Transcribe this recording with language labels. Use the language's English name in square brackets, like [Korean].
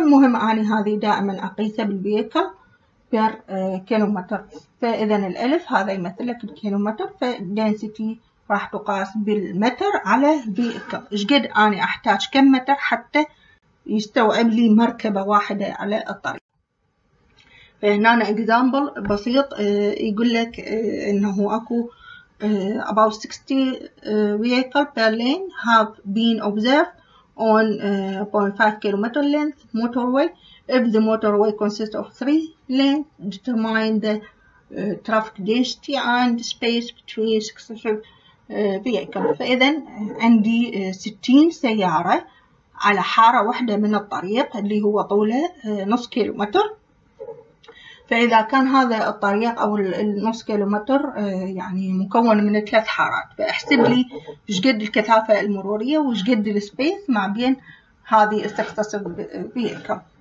[Arabic] المهم أني هذه دائما أقيسه بالبيكل بير كيلومتر، فإذا الألف هذا يمثل لك الكيلومتر، فالدنسيتي راح تقاس بالمتر على فيكل، إيش قد أنا أحتاج كم متر حتى يستوعب لي مركبة واحدة على الطريق. فهنا إكزامبل بسيط يقول لك إنه أكو [English] about 60 vehicle per lane have been observed on 0.5 kilometer length motorway. If the motorway consists of 3 lanes, determine the traffic density and space between successive vehicles. [Arabic] فإذا عندي 60 سيارة على حارة واحدة من الطريق اللي هو طوله نص كيلومتر. فإذا كان هذا الطريق أو النص كيلومتر يعني مكون من 3 حارات، فأحسب لي شقد الكثافة المرورية وشقد السبيس ما بين هذه السكسسيف vehicles.